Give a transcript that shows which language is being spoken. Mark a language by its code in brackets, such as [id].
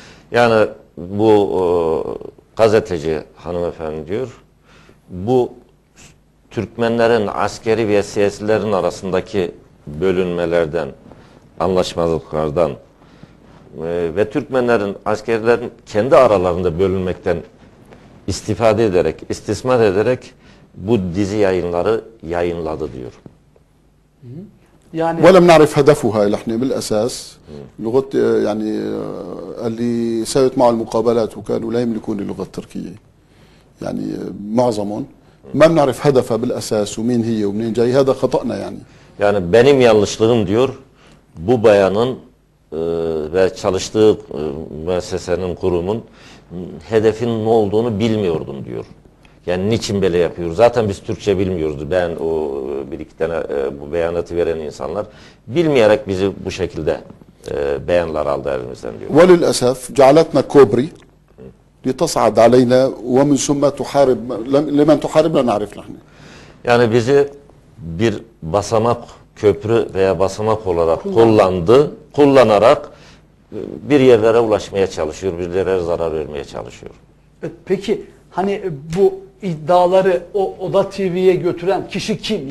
[tr] Yani bu gazeteci hanımefendi diyor, bu Türkmenlerin askeri ve siyasilerin arasındaki bölünmelerden, anlaşmazlıklardan ve Türkmenlerin askerlerin kendi aralarında bölünmekten istifade ederek, istismar ederek bu dizi yayınları yayınladı diyor. [ar] يعني ولم نعرف هدفها نحن بالاساس لغه يعني اللي سويت معه المقابلات وكانوا لا يملكون اللغه التركيه يعني معظمهم ما بنعرف هدفها بالاساس ومين هي ومنين جاي هذا خطانا يعني [tr] يعني benim yanlışlığım diyor bu bayanın ve çalıştığı müessesenin kurumun hedefinin ne olduğunu bilmiyordum diyor. Yani niçin böyle yapıyor? Zaten biz Türkçe bilmiyoruz. Ben o bir iki tane bu beyanatı veren insanlar bilmeyerek bizi bu şekilde beyanlar aldı elimizden diyor. [ar] Ve للأسف جعلتنا كوبري لتصعد علينا ومن ثم تحارب لمن تحارب لا نعرف نحن. [tr] Yani bizi bir basamak köprü veya basamak olarak kullandı, kullanarak bir yerlere ulaşmaya çalışıyor, birilere zarar vermeye çalışıyor. Peki hani bu iddiaları o Oda TV'ye götüren kişi kim?